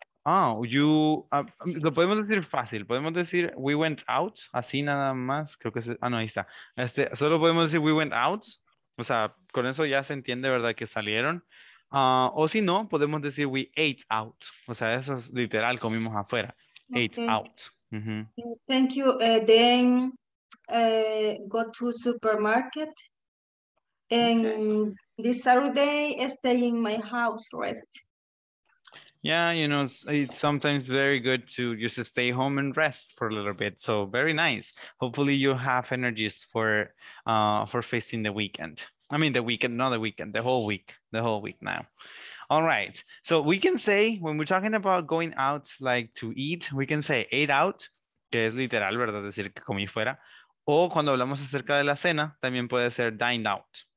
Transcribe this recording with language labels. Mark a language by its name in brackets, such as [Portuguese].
[Spanish] Oh, you, lo podemos decir fácil, podemos decir [English] we went out, [Spanish] así nada más, creo que, no, ahí está, solo podemos decir we went out, o sea, con eso ya se entiende, ¿verdad?, que salieron, o si no, podemos decir [English] we ate out, [Spanish] o sea, eso es literal, comimos afuera, okay. [English] Ate out. Mm-hmm. Thank you, then go to supermarket, and okay. This Saturday, stay in my house, rest. Yeah, you know, it's sometimes very good to just stay home and rest for a little bit. So very nice. Hopefully you have energies for facing the weekend. I mean, the weekend, not the weekend, the whole week now. All right. So we can say when we're talking about going out, like to eat, we can say ate out, [Spanish] que es literal, ¿verdad? Decir que comí fuera. O cuando hablamos acerca de la cena, también puede ser dined out.